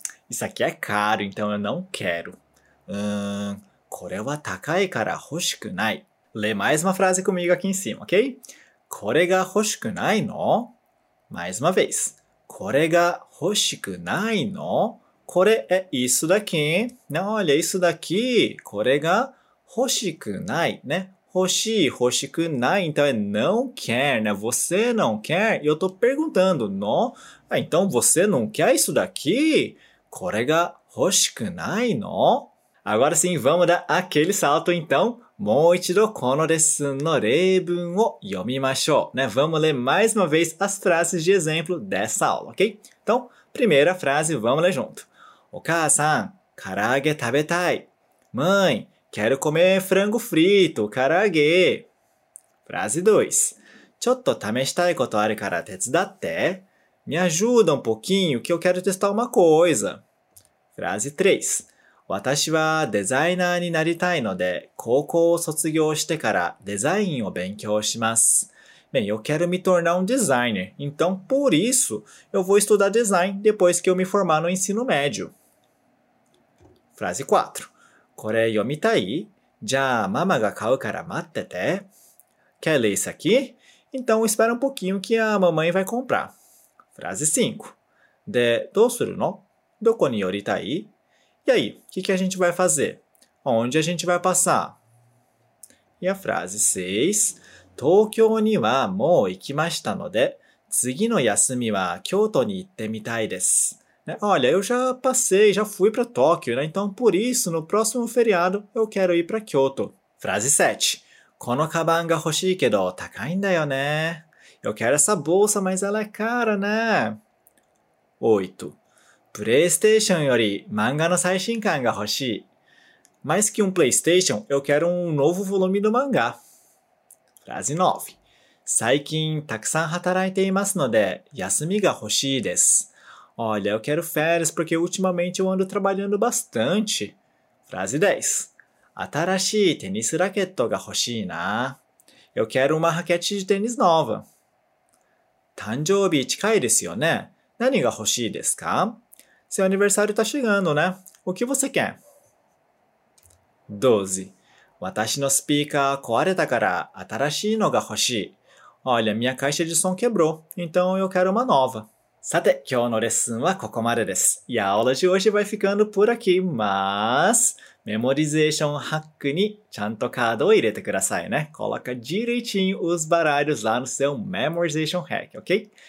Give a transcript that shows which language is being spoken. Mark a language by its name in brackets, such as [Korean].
[Portuguese] Isso aqui é caro, então eu não quero. [Japanese] これは高いから欲しくない。 [Portuguese] Lê mais uma frase comigo aqui em cima, ok? [Japanese] これが欲しくないの? [Portuguese] Mais uma vez. [Japanese] これが欲しくないの? [Portuguese] これ é isso daqui. Olha, isso daqui. [Japanese] これが欲しくない, né? 欲しい, 欲しくない. [Portuguese] Então é não quer, né? Você não quer. E eu tô perguntando, no? Ah, então você não quer isso daqui? [Japanese] これが欲しくないの? [Portuguese] Agora sim, vamos dar aquele salto, então. [Japanese] もう一度このレッスンの例文を読みましょう。 [Portuguese] ね、vamos ler mais uma vez as frases de exemplo dessa aula, ok? Então, primeira frase, vamos ler junto. [Japanese] お母さん、から揚げ食べたい。 [Portuguese] Mãe, quero comer frango frito, から揚げ。 Frase 2. [Japanese] ちょっと試したいことあるから手伝って。 [Portuguese] Me ajuda um pouquinho que eu quero testar uma coisa. Frase 3. [Japanese] 私はデザイナーになりたいので、高校を卒業してからデザインを勉強します。 [Portuguese] Bem, eu quero me tornar designer. Então, por isso, eu vou estudar design depois que eu me formar no ensino médio. Frase 4. [Japanese] これ読みたい? じゃあ、ママが買うから待ってて。 [Portuguese] Quer ler isso aqui? Então, espera um pouquinho que a mamãe vai comprar. Frase 5. [Japanese] で、どうするの?どこに寄りたい? [Portuguese] E aí, o que, que a gente vai fazer? Onde a gente vai passar? E a frase 6. Tokyo ni wa mou ikimashita node, tsugi no yasumi wa Kyoto ni itte mitai desu. Olha, eu já passei, já fui para Tóquio, né? Então, por isso, no próximo feriado, eu quero ir para Kyoto. Frase 7. [Japanese] Kono kaban ga hoshii kedo takai da yo ne. [Portuguese] Eu quero essa bolsa, mas ela é cara, né? 8. [Japanese] PlayStation より漫画の最新刊が欲しい。 [Portuguese] Mais que PlayStation, eu quero novo volume do mangá. Frase 9. [Japanese] 最近たくさん働いていますので、休みが欲しいです。 [Portuguese] Olha, eu quero férias porque ultimamente eu ando trabalhando bastante. Frase 10. [Japanese] 新しいテニスラケットが欲しいな。 [Portuguese] Eu quero uma raquete de tênis nova. [Japanese] 誕生日近いですよね。何が欲しいですか? [Portuguese] Seu aniversário está chegando, né? O que você quer? 12. [Japanese] 私のスピーカー壊れたから新しいのが欲しい。 [Portuguese] Olha, minha caixa de som quebrou, então eu quero uma nova. [Japanese] さて、今日のレッスンはここまでです。 [Portuguese] E a aula de hoje vai ficando por aqui, mas... [Japanese] Memorization Hack にちゃんとカードを入れてくださいね。 [Portuguese] Coloca direitinho os baralhos lá no seu Memorization Hack, ok?